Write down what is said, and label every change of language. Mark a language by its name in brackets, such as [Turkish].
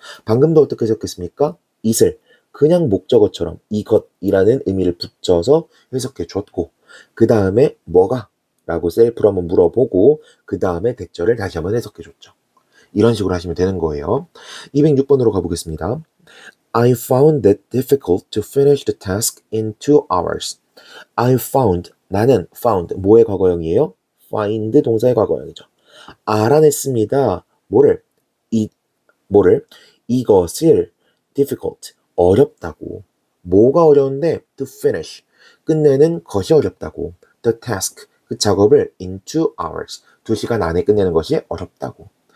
[Korean] 방금도 어떻게 해석했습니까? it을 그냥 목적어처럼 이것이라는 의미를 붙여서 해석해 줬고, 그 다음에 뭐가? 라고 셀프로 한번 물어보고, 그 다음에 대절을 다시 한번 해석해 줬죠. 이런 식으로 하시면 되는 거예요. 206번으로 가보겠습니다. [English] I found it difficult to finish the task in 2 hours. I found, [Korean] 나는 found, 뭐의 과거형이에요? find 동사의 과거형이죠. 알아냈습니다. 뭐를? 뭐를? 이것을 difficult, 어렵다고. 뭐가 어려운데? [English] to finish, [Korean] 끝내는 것이 어렵다고. [English] the task, [Korean] 그 작업을 [English] in 2 hours, [Korean] 2시간 안에 끝내는 것이 어렵다고.